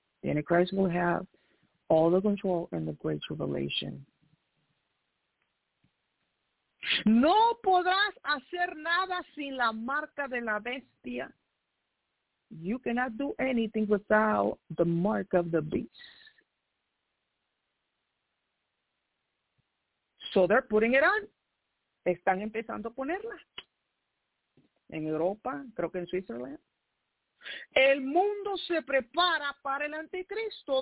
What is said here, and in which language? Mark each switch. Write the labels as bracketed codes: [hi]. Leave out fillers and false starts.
[en] The Antichrist will have all the control in the Great Tribulation. [es] No podrás hacer nada sin la marca de la bestia. [en] You cannot do anything without the mark of the beast. So they're putting it on. [es] están empezando a ponerla. En Europa, creo que en Switzerland. El mundo se prepara para el anticristo.